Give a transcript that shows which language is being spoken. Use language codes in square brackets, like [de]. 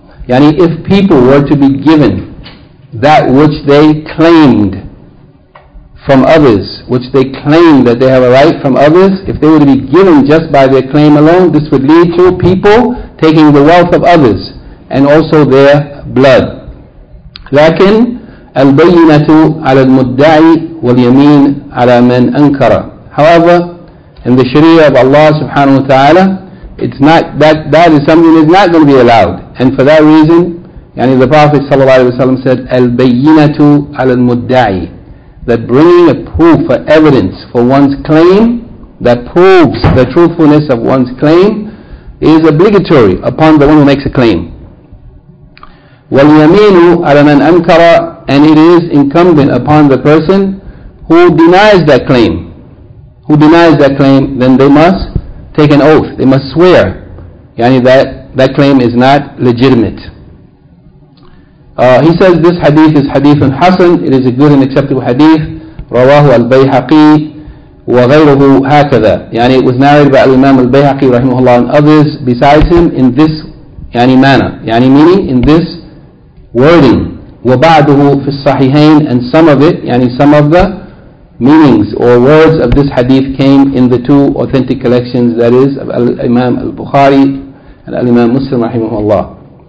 [en] Yani if people were to be given that which they claimed from others, which they claim that they have a right from others, if they were to be given just by their claim alone, this would lead to people taking the wealth of others and also their blood. [ar] لكن البينة على المدعي واليمين على من أنكر. [en] However, in the Sharia of Allah subhanahu wa ta'ala, it's not that is something that's not going to be allowed. And for that reason, yani the Prophet sallallahu alaihi wasallam said, [ar] البينة على المدعي, [en] that bringing a proof for evidence for one's claim that proves the truthfulness of one's claim is obligatory upon the one who makes a claim. [ar] وَالْيَمِينُ عَلَى مَنْ أَنْكَرَ, [en] and it is incumbent upon the person who denies that claim. Who denies that claim, then they must take an oath. They must swear. Yani that claim is not legitimate. He says this hadith is hadith hasan. It is a good and acceptable hadith. [ar] رواه البيحقي وغيره هكذا. [en] Yani it was narrated by Imam al-Bayhaqi rahimahullah and others besides him in this yani manner. Yani meaning in this wording. [ar] وبعده في الصحيحين, [en] and some of it, yani some of the meanings or words of this hadith came in the two authentic collections, that is of Imam al-Bukhari and Imam Muslim rahimahullah.